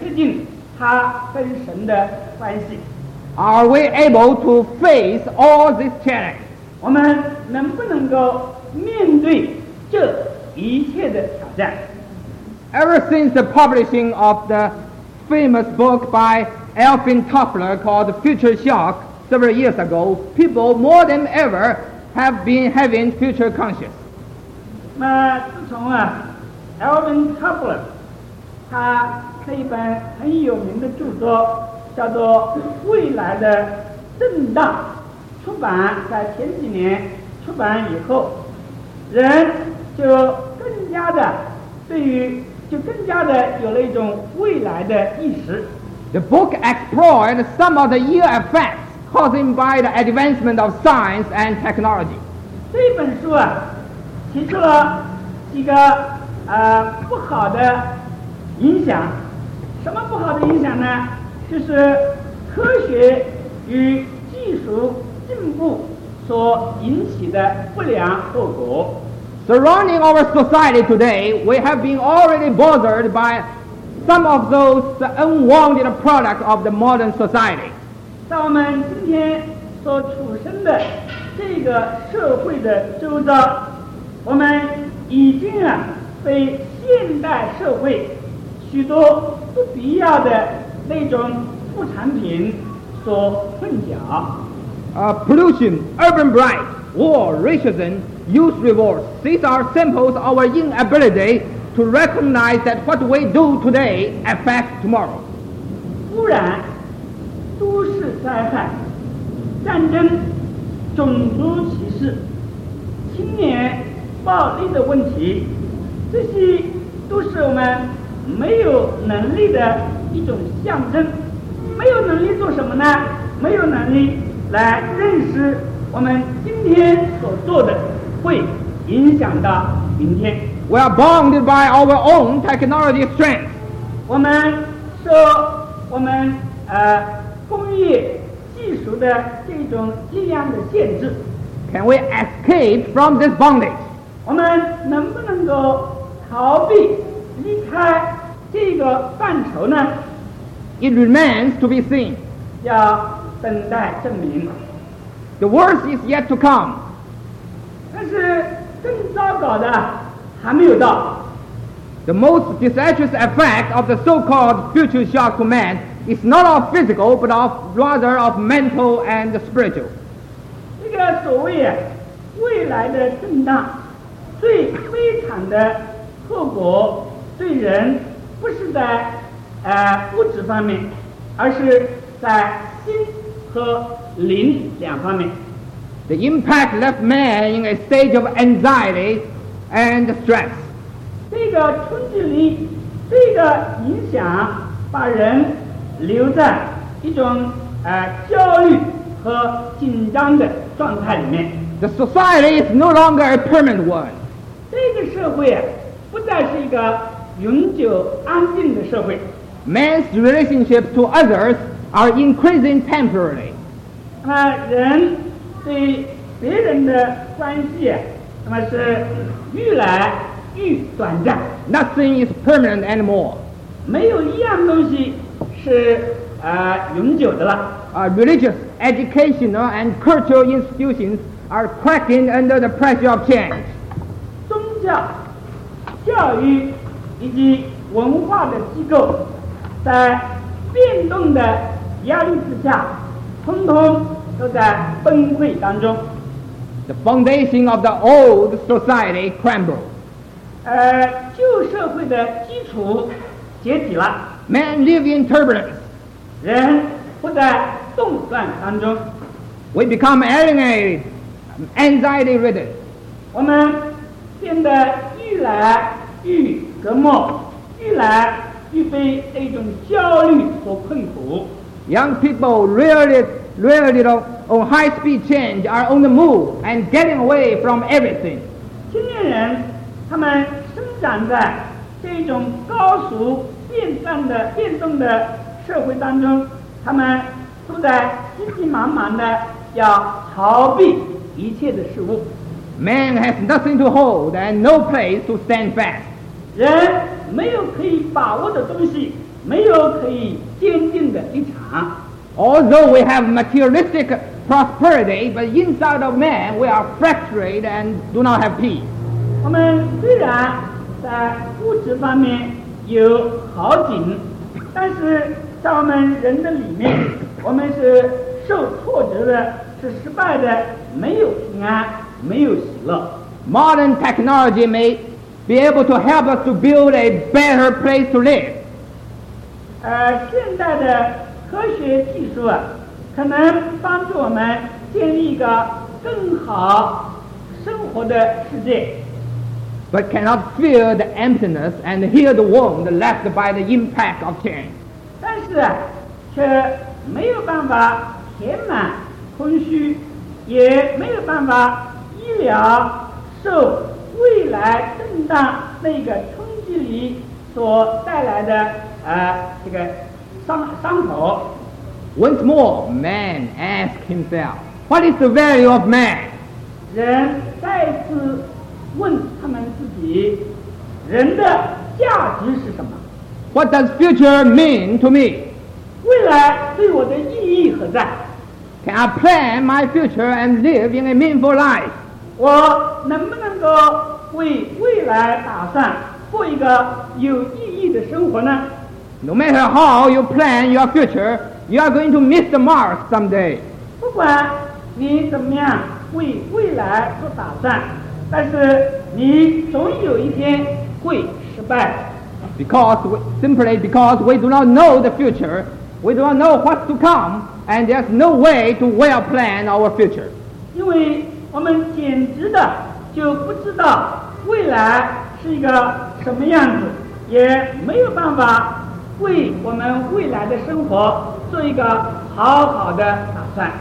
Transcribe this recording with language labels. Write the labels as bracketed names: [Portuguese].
[Chinese] 这是对人一种属灵的挑战，要人确定他在神面前的价值，要人确定他跟神的关系。 [English] Are we able to face all this challenge? [Chinese] 我们能不能够面对这一切的挑战？ [English] Ever since the publishing of the famous book by Alvin Toffler called Future Shock several years ago, people more than ever have been having future conscious. [Chinese] 自从Alvin Toffler 他这一本很有名的著作 叫做《未来的震荡》，出版在前几年出版以后，人就更加的对于就更加的有了一种未来的意识。 [English] The book explored some of the ill effects caused by the advancement of science and technology. [Chinese] 这本书啊，提出了几个不好的影响。什么不好的影响呢？就是科学与技术进步所引起的不良后果。 [English] Surrounding our society today, we have been already bothered by some of those unwanted products of the modern society. [Chinese] 在我们今天所处身的这个社会的周遭，我们已经啊被现代社会许多不必要的那种副产品所困扰。 [English] Pollution, urban bright, war, racism, youth rewards, these are samples of our inability to recognize that what we do today affects tomorrow. [Chinese] 污染、都市灾害、战争、种族歧视、青年暴力的问题，这些都是我们没有能力的一种象征。没有能力做什么呢？没有能力来认识我们今天所做的会影响到明天。 [English] We are bounded by our own technology strength. [Chinese] 我们受我们工业技术的这种力量的限制。 [English] Can we escape from this bondage? [Chinese] 我们能不能够逃避离开这个范畴呢？ [English] It remains to be seen. [Chinese] 要等待证明。 [English] The worst is yet to come. [Chinese] 但是更糟糕的还没有到。 [English] The most disastrous effect of the so-called future shock to man is not of physical but of rather of mental and spiritual. [Chinese] 这个所谓未来的震荡最悲惨的后果对人不是在物质方面，而是在心和灵两方面。 [English] The impact left man in a stage of anxiety and stress. [Chinese] 这个冲击力，这个影响把人留在一种焦虑和紧张的状态里面。 [English] The society is no longer a permanent one. [Chinese] 这个社会不再是一个永久安定的社会。 [English] Man's relationship to others are increasing temporarily. [Chinese] 那么人对别人的关系，那么是越来越短暂。 [English] Nothing is permanent anymore. [Chinese] 没有一样东西是永久的了。 [English] Religious, educational, and cultural institutions are cracking under the pressure of change. [Chinese] 宗教、教育以及文化的机构在变动的压力之下通通都在崩溃当中。 [English] The foundation of the old society crumbled. [Chinese] 旧社会的基础解体了。 [English] Men live in turbulence. [Chinese] 人不在动乱当中。 [English] We become alienated, anxiety ridden. [Chinese] 我们变得越来越隔膜，愈来愈被那种焦虑所困苦。 [English] Young people really on high speed change are on the move and getting away from everything. [Chinese] 青年人他们生长在这种高速变动的社会当中，他们都在急急忙忙的要逃避一切的事物。 [English] Man has nothing to hold and no place to stand fast. [Chinese] 人没有可以把握的东西，没有可以坚定的立场。 [English] Although we have materialistic prosperity, but inside of man we are fractured and do not have peace. [Chinese] 我们虽然在物质方面有好景，但是在我们人的里面，我们是受挫折的，是失败的，没有平安，没有喜乐。 [English] Modern technology may be able to help us to build a better place to live. [Chinese] 现代的科学技术可能帮助我们建立一个更好生活的世界。 [English] but cannot feel the emptiness and heal the wound left by the impact of change. [Chinese] 但是啊，却没有办法填满空虚，也没有办法医疗受未来震荡那个冲击力所带来的这个伤口。 [English] Once more, man asked himself, what is the value of man? [Chinese] 人再次问他们自己，人的价值是什么？ [English] What does future mean to me? [Chinese] 未来对我的意义何在？ [English] Can I plan my future and live in a meaningful life? [Chinese] 我能不能够为未来打算，过一个有意义的生活呢？ [English] No matter how you plan your future,You are going to miss the mark someday. [Chinese] 不管你怎么样为未来做打算，但是你总有一天会失败。 [English] Simply because we do not know the future, we do not know what's to come, and there's no way to well plan our future. [Chinese] 因为我们简直的就不知道未来是一个什么样子，也没有办法为我们未来的生活做一个好好的打算。